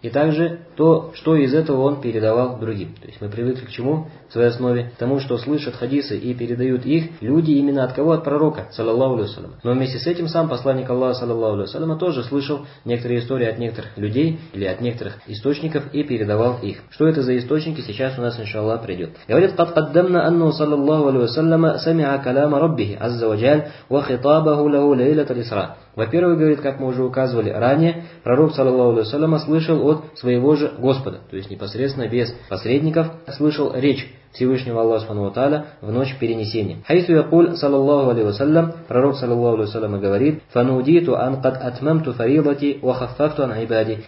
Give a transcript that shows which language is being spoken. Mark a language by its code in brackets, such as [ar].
[ru] И также то, что из этого он передавал другим. То есть мы привыкли к чему в своей основе? К тому, что слышат хадисы и передают их люди именно от кого? От пророка, саллаллаху алейхи ва саллям. Но вместе с этим сам посланник Аллаха, саллаллаху алейхи ва саллям, тоже слышал некоторые истории от некоторых людей или от некоторых источников и передавал их. Что это за источники, сейчас у нас, иншаллах, придет. Говорит, [ar] قد قدمنا أنه صلى الله عليه وسلم سمع كلام ربه عز وجل وخطابه له ليلة الإسراء. [ru] Во-первых, говорит, как мы уже указывали ранее, пророк, саллаллаху алейхи ва саллям, слышал от своего же Господа, то есть непосредственно без посредников, слышал речь Всевышнего Аллаха субхана ва тааля в ночь перенесения. [ar] Хайсу якуль, саллаллаху алейхи ва саллям, [ru] пророк, саллаллаху алейхи ва саллям, говорит, [ar] фанудиту ан кад атмамту фаридати ва хаффафту ан ибади.